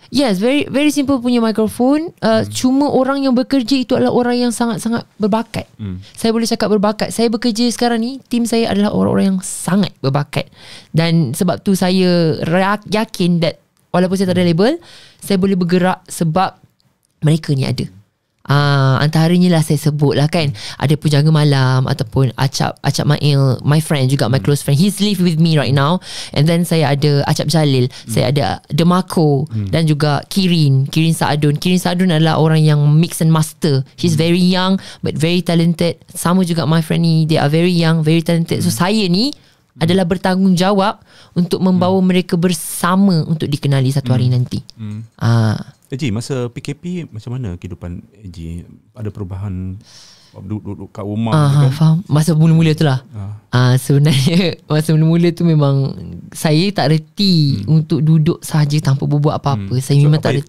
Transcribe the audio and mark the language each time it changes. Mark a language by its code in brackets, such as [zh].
[en] Yes, very very simple punya microphone. [ms] Cuma orang yang bekerja itu adalah orang yang sangat-sangat berbakat. Saya boleh cakap berbakat. Saya bekerja sekarang ni, tim saya adalah orang-orang yang sangat berbakat. Dan sebab tu saya yakin that walaupun saya tak ada label, saya boleh bergerak sebab mereka ni ada. Antaranya lah saya sebut lah kan, ada Pujangga Malam ataupun Acap Mail, [en] my friend [ms] juga, [en] my close friend, he's live with me right now. And then [ms] saya ada Acap Jalil, saya ada Demarco, dan juga Kirin Saadun adalah orang yang [en] mix and master. He's very young but very talented. [ms] Sama juga [en] my friend ni, they are very young, very talented. [ms] So saya ni adalah bertanggungjawab untuk membawa mereka bersama untuk dikenali satu hari nanti. Eji, masa PKP macam mana kehidupan Eji? Ada perubahan duduk-duduk kat rumah? Faham. Masa mula-mula tu lah. Sebenarnya, masa mula-mula tu memang saya tak reti untuk duduk saja tanpa berbuat apa-apa. Saya memang tak reti.